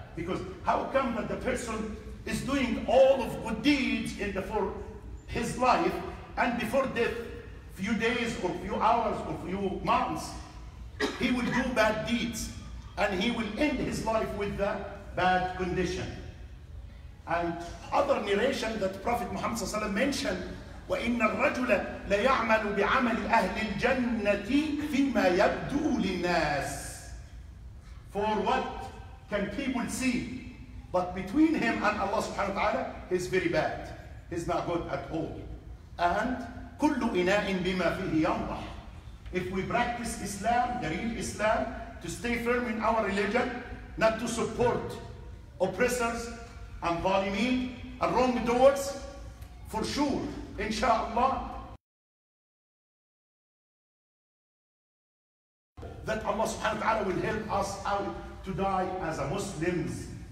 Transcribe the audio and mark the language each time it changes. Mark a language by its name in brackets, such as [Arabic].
[English] Because how come that the person is doing all of good deeds in the for his life, and before death, few days or few hours or few months, he will do bad deeds and he will end his life with the bad condition. And other narration that Prophet Muhammad mentioned, [Arabic] وَإِنَّ الرَّجُلَ لَيَعْمَلُ بِعَمَلِ أَهْلِ الْجَنَّةِ فِيمَا يَبْدُو لِلنَّاسِ. [English] For what can people see? But between him and Allah subhanahu wa ta'ala, he's very bad. He's not good at all. [Arabic] And كُلُّ إِنَاءٍ بِمَا فِيهِ يَنْضَحِ. [English] If we practice Islam, the real Islam, to stay firm in our religion, not to support oppressors and zalimeen and wrongdoers, for sure, inshallah, that Allah subhanahu wa ta'ala will help us out to die as a Muslims.